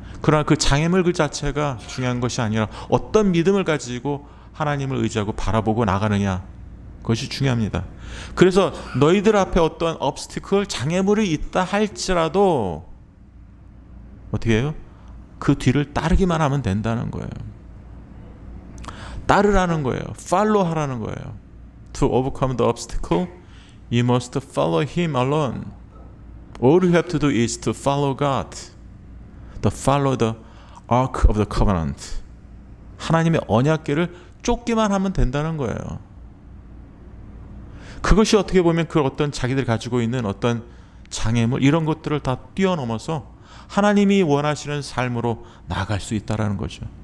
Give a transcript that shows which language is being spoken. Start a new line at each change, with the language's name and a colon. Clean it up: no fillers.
Korean: 그러나 그 장애물 그 자체가 중요한 것이 아니라 어떤 믿음을 가지고 하나님을 의지하고 바라보고 나가느냐 그것이 중요합니다. 그래서 너희들 앞에 어떤 obstacle 장애물이 있다 할지라도 어떻게 해요? 그 뒤를 따르기만 하면 된다는 거예요. 따르라는 거예요. follow 하라는 거예요.
English: To overcome the obstacle you must follow him alone. All you have to do is to follow God. To follow the ark of the covenant.
Korean: 하나님의 언약궤를 쫓기만 하면 된다는 거예요. 그것이 어떻게 보면 그 어떤 자기들이 가지고 있는 어떤 장애물 이런 것들을 다 뛰어넘어서 하나님이 원하시는 삶으로 나아갈 수 있다라는 거죠.